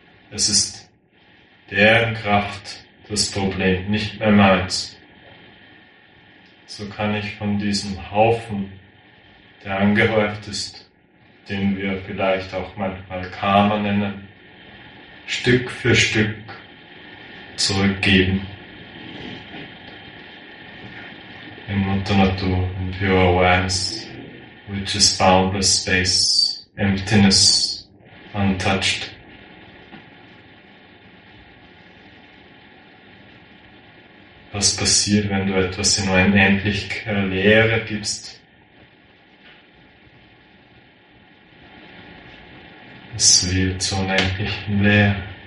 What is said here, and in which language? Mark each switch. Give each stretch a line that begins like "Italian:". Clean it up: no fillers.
German: Es ist deren Kraft das Problem, nicht mehr meins. So kann ich von diesem Haufen, der angehäuft ist, den wir vielleicht auch manchmal Karma nennen, Stück für Stück zurückgeben. In Mutter Natur,
English: in pure awareness, which is boundless space, emptiness, untouched.
German: Was passiert, wenn du etwas in unendlicher Leere gibst? Es wird zur unendlichen Leere.